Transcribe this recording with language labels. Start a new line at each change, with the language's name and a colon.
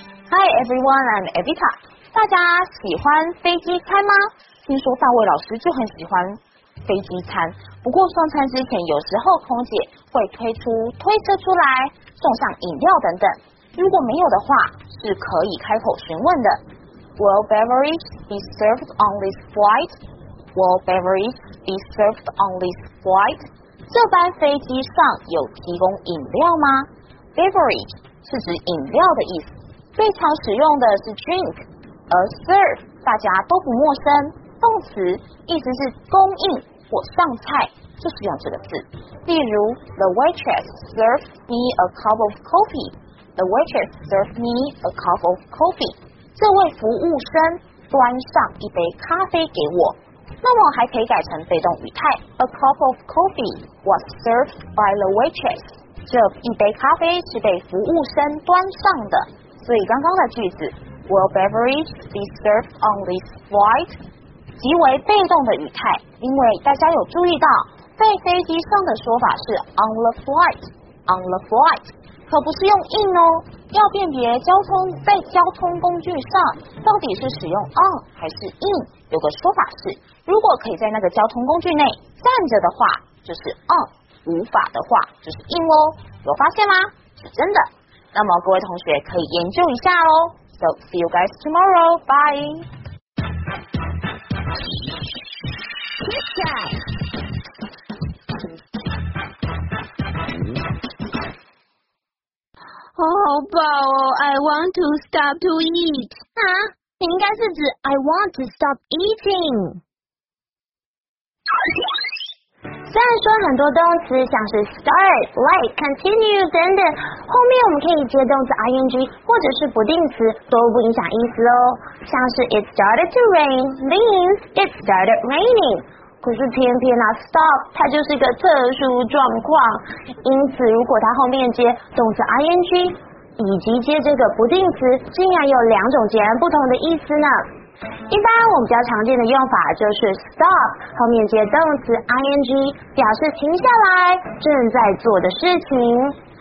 English: Hi, everyone, I'm Evita.
Chinese: 大家喜欢飞机餐吗？听说范伟老师就很喜欢。飞机餐。不过送餐之前，有时候空姐会推车出来送上饮料等等。如果没有的话，是可以开口询问的。
English: Will beverage be served on this flight? Will beverage be served on this flight?
Chinese: 这班飞机上有提供饮料吗？Beverage 是指饮料的意思，最常使用的是 drink， 而 serve 大家都不陌生，动词意思是供应或上菜，就是用这个字。例如
English: ，The waitress served me a cup of coffee. The waitress served me a cup of coffee.
Chinese: 这位服务生端上一杯咖啡给我。那么还可以改成被动语态
English: ，A cup of coffee was served by the waitress.
Chinese: 这一杯咖啡是被服务生端上的。所以刚刚的句子
English: ，Will beverage be served on this flight？
Chinese: 即为被动的语态，因为大家有注意到，在飞机上的说法是 on the flight， 可不是用 in 哦。要辨别在交通工具上到底是使用 on 还是 in， 有个说法是，如果可以在那个交通工具内站着的话，就是 on； 无法的话，就是 in 哦。有发现吗？是真的。那么各位同学可以研究一下哦。
English: So see you guys tomorrow. Bye. Good job. Oh,
Chinese: 好饱哦。
English: I want to stop to eat. 啊，
Chinese: 应该是指
English: I want to stop eating.
Chinese: 虽然说很多动词像是 start, like, continue, 等等，后面我们可以接动词 ing 或者是不定词，都不影响意思哦。像是
English: it started to rain means it started raining。
Chinese: 可是偏偏啊 stop 它就是一个特殊状况，因此如果它后面接动词 ing 以及接这个不定词，竟然有两种截然不同的意思呢。一般我们比较常见的用法就是 stop 后面接动词 ing， 表示停下来，正在做的事情。